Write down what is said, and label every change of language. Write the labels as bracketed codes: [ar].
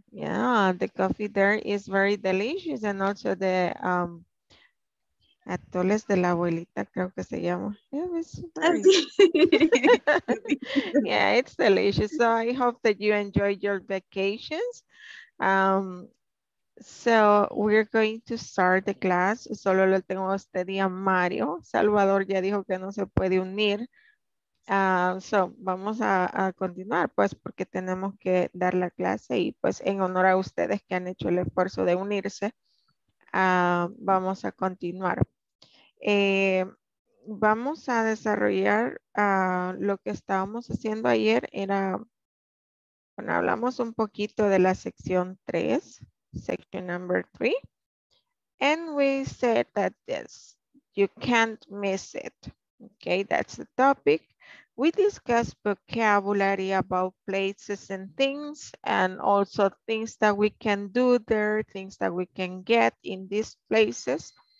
[en] Yeah, the coffee there is very delicious. And also the atoles de la abuelita, creo que se llama. Yeah, it's delicious. So I hope that you enjoy your vacations. So we're going to start the class. [es] Solo lo tengo a usted y a Mario. Salvador ya dijo que no se puede unir. So, vamos a continuar, pues, porque tenemos que dar la clase y, pues, en honor a ustedes que han hecho el esfuerzo de unirse, vamos a continuar. Vamos a desarrollar lo que estábamos haciendo ayer. Era, bueno, hablamos un poquito de la sección 3, section number 3. [en] And we said that this, you can't miss it. Okay, that's the topic. We discuss vocabulary about places and things, and also things that we can do there, things that we can get in these places.